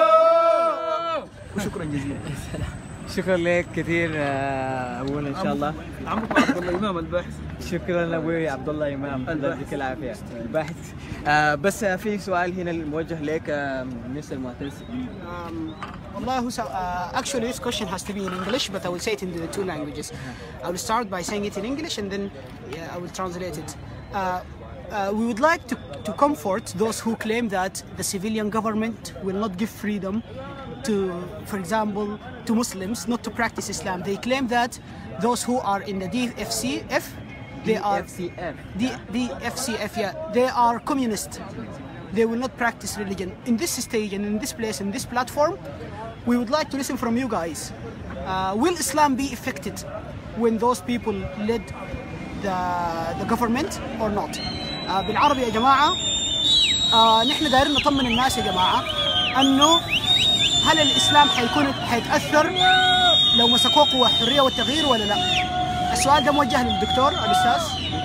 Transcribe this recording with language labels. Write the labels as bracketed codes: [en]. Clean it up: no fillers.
[ar] مدنية. وشكرا جزيلا. شكرا لك كثير ابونا ان شاء الله عمك عبد الله امام الباحث. شكرا ابوي عبد الله امام يعطيك العافيه الباحث. بس في سؤال هنا الموجه لك مستر معتز. [en] والله actually this question has to be in English but I will say it in the two languages. I will start by saying it in English and then I will translate it. We would like to comfort those who claim that the civilian government will not give freedom to, for example, to Muslims not to practice Islam. They claim that those who are in the DFCF, they are DFCF. DFCF, yeah, they are communist. They will not practice religion. In this stage and in this place, in this platform, we would like to listen from you guys. Will Islam be affected when those people led the government or not? [ar] بالعربي يا جماعة نحن دايرين نطمن الناس يا جماعة أنه هل الإسلام حيتأثر لو مسكوا قوة الحرية والتغيير ولا لا؟ السؤال ده موجه للدكتور الأستاذ.